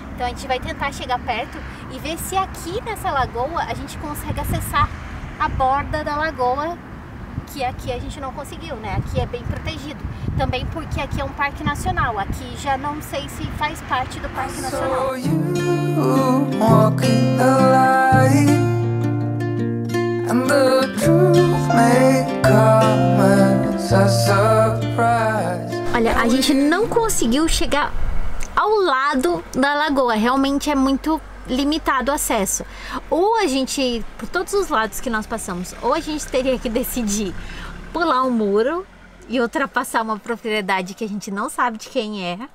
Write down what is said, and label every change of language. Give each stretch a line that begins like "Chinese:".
Portuguese: Então a gente vai tentar chegar perto e ver se aqui nessa lagoa a gente consegue acessar a borda da lagoa, que aqui a gente não conseguiu, né? Aqui é bem protegido. Também porque aqui é um parque nacional, aqui já não sei se faz parte do parque nacional.
English: Walking the light, and the truth may come as a surprise.
Portuguese: Olha, a gente não conseguiu chegar ao lado da lagoa, realmente é muito limitado o acesso. Ou a gente, por todos os lados que nós passamos, ou a gente teria que decidir pular um muro e ultrapassar uma propriedade que a gente não sabe de quem é.